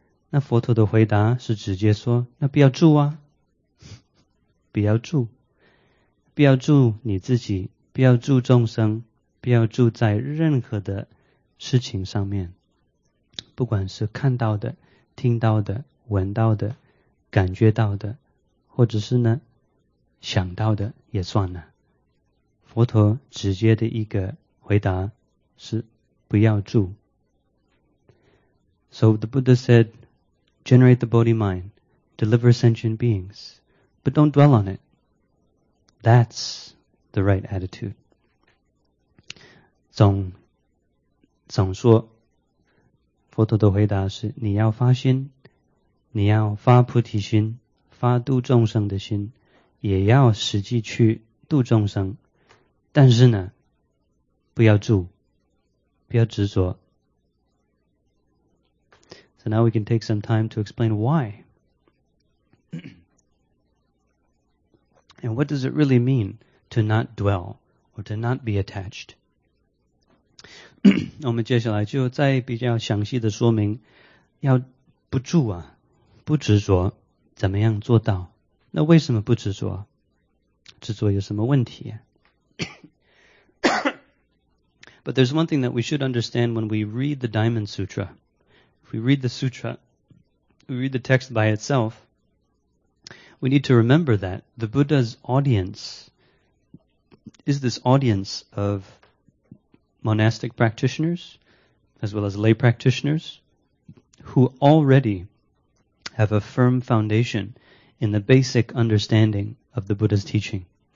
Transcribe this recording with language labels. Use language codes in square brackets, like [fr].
[zh] 那佛陀的回答是直接说，那不要住啊，不要住，不要住你自己，不要住众生，不要住在任何的事情上面，不管是看到的、听到的、闻到的、感觉到的，或者是呢想到的也算了。佛陀直接的一个回答是不要住。 [en] So the Buddha said, generate the Bodhi mind, deliver sentient beings, but don't dwell on it. That's the right attitude. [zh] 总说佛陀的回答是你要发心，你要发菩提心，发度众生的心，也要实际去度众生，但是呢不要住，不要执着。 [en] So now we can take some time to explain why. And what does it really mean to not dwell or to not be attached? [zh] 我们接下来就再比较详细的说明要不住啊，不执着怎么样做到。那为什么不执着？制作有什么问题。 [en] But there's one thing that we should understand when we read the Diamond Sutra. If we read the sutra, we read the text by itself, we need to remember that the Buddha's audience is this audience of monastic practitioners, as well as lay practitioners, who already have a firm foundation in the basic understanding of the Buddha's teaching.